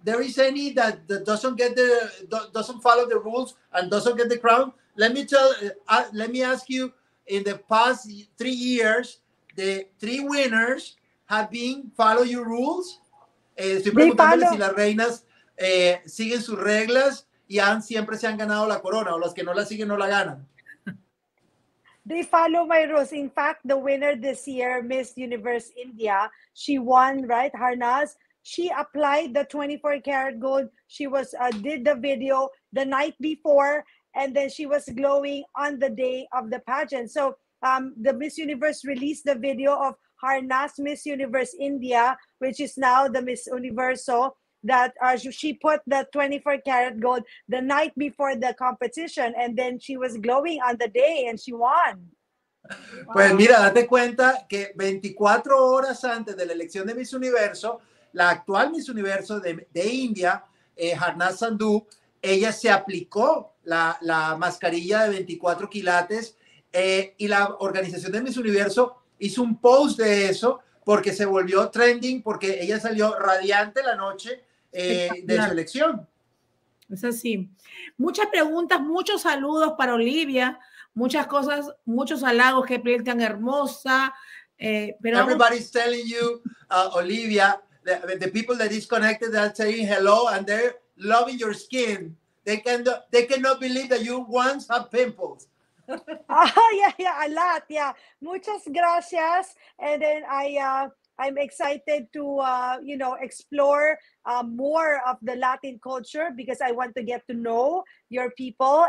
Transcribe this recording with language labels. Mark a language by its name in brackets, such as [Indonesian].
[English] There is any that doesn't get the doesn't follow the rules and doesn't get the crown. Let me ask you. In the past 3 years, the 3 winners have been follow your rules. [Spanish] Estoy preguntándole si las reinas siguen sus reglas y siempre se han ganado la corona, o las que no la siguen no la ganan. [English] They follow my rules. In fact, the winner this year, Miss Universe India, she won, right, Harnaz? She applied the 24 karat gold. She was did the video the night before, and then she was glowing on the day of the pageant. So the Miss Universe released the video of Harnaz Miss Universe India, which is now the Miss Universal, that she put the 24 karat gold the night before the competition, and then she was glowing on the day and she won. [Spanish] Pues mira, date cuenta que 24 horas antes de la elección de Miss Universo, la actual Miss Universo de India, Harnaz Sandhu, ella se aplicó la mascarilla de 24 quilates y la organización de Miss Universo hizo un post de eso porque se volvió trending, porque ella salió radiante la noche de su elección. Es así. Muchas preguntas, muchos saludos para Olivia, muchas cosas, muchos halagos, qué piel tan hermosa. Pero [English] everybody's telling you, Olivia, the people that is connected are saying hello and they're loving your skin. They cannot believe that you once have pimples. Oh, yeah, a lot, yeah. [Spanish] Muchas gracias. [English] And then I'm excited to, explore more of the Latin culture, because I want to get to know your people.